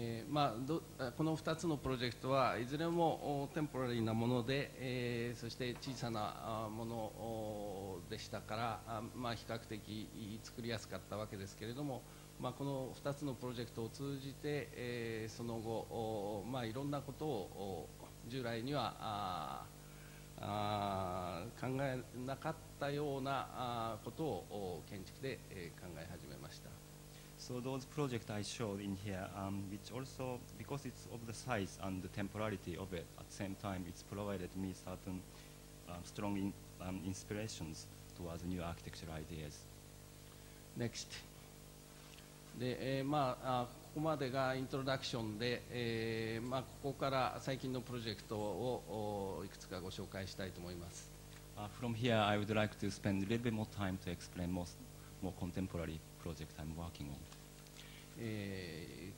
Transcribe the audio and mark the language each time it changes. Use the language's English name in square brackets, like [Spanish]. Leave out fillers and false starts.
[Japanese] まあ、この2つのプロジェクトはいずれもテンポラリーなもので、そして小さなものでしたから、まあ、比較的作りやすかったわけですけれども、まあ、この2つのプロジェクトを通じて、その後、まあ、いろんなことを従来には考えなかったようなことを建築で考え始めました。 [English] So those projects I showed in here, which also, because it's of the size and the temporality of it, at the same time, it's provided me certain strong inspirations towards new architectural ideas. Next. [Japanese] で、まあ、ここまでがイントロダクションで、まあ、ここから最近のプロジェクトをいくつかご紹介したいと思います。 [English] From here, I would like to spend a little bit more time to explain more contemporary project I'm working on.